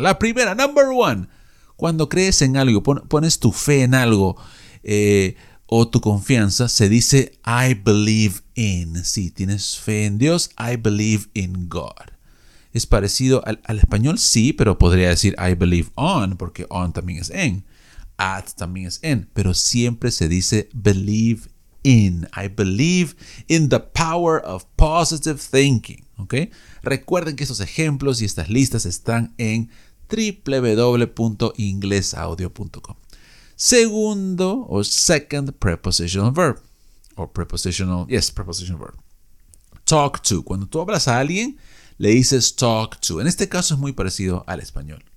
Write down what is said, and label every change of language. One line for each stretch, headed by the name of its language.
Spanish: La primera,
English: number one,
Spanish: cuando crees en algo, pones tu fe en algo o tu confianza, se dice
English: I believe in.
Spanish: Sí, tienes fe en Dios,
English: I believe in God.
Spanish: Es parecido al español, sí, pero podría decir
English: I believe on,
Spanish: porque on también es en. At también es en, pero siempre se dice
English: believe in. I believe in the power of positive thinking. ¿Okay?
Spanish: Recuerden que estos ejemplos y estas listas están en www.inglesaudio.com. Segundo o
English: second prepositional verb. Prepositional verb. Talk to.
Spanish: Cuando tú hablas a alguien, le dices
English: talk to.
Spanish: En este caso es muy parecido al español.